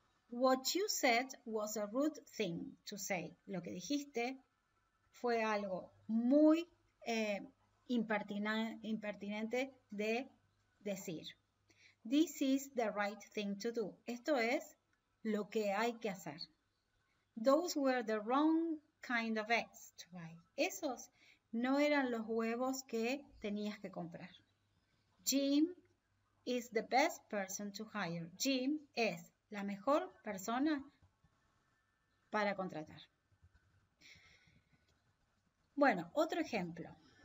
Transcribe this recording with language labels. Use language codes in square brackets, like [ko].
[en] What you said was a rude thing to say. [es] Lo que dijiste fue algo muy impertinente de decir. [en] This is the right thing to do. [es] Esto es lo que hay que hacer. [en] Those were the wrong kind of eggs to buy. [es] Esos no eran los huevos que tenías que comprar. [en] Jim is the best person to hire. [es] Jim es la mejor persona para contratar. Bueno, otro ejemplo.